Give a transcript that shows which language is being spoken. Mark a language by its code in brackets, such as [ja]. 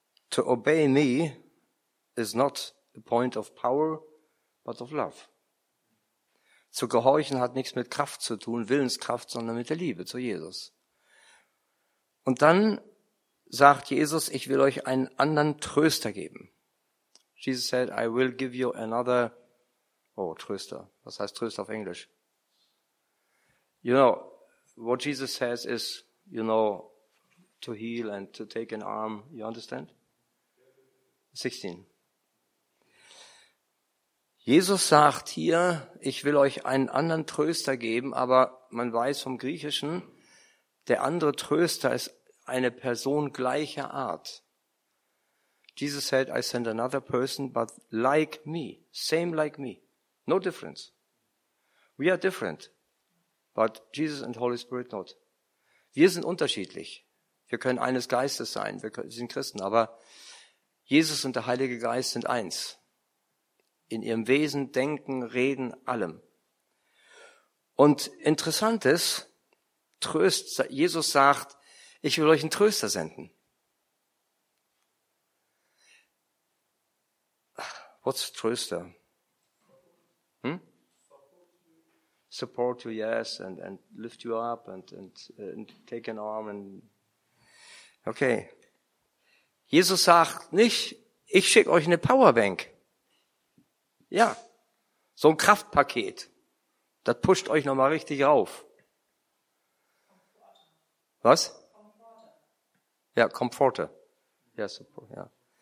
[en] To obey me is not a point of power, but of love. [de] Zu gehorchen hat nichts mit Kraft zu tun, Willenskraft, sondern mit der Liebe zu Jesus. Und dann sagt Jesus, ich will euch einen anderen Tröster geben. [en] Jesus said, I will give you another, oh, Tröster. [de] Was heißt Tröster auf Englisch? [en] You know, what Jesus says is, you know, to heal and to take an arm. You understand? 16. [de] Jesus sagt hier, ich will euch einen anderen Tröster geben, aber man weiß vom Griechischen, der andere Tröster ist eine Person gleicher Art. [en] Jesus said, I send another person, but like me, same like me, no difference. We are different, but Jesus and Holy Spirit not. [de] Wir sind unterschiedlich. Wir können eines Geistes sein, wir sind Christen, aber Jesus und der Heilige Geist sind eins. In ihrem Wesen, Denken, Reden, allem. Und interessant ist, Jesus sagt, ich will euch einen Tröster senden. [en] What's Tröster? Hm? Support you, yes, and lift you up and take an arm and okay. [de] Jesus sagt nicht, ich schicke euch eine Powerbank. Ja, so ein Kraftpaket, das pusht euch nochmal richtig auf. Was? Ja, Komforter. Ja, super, ja.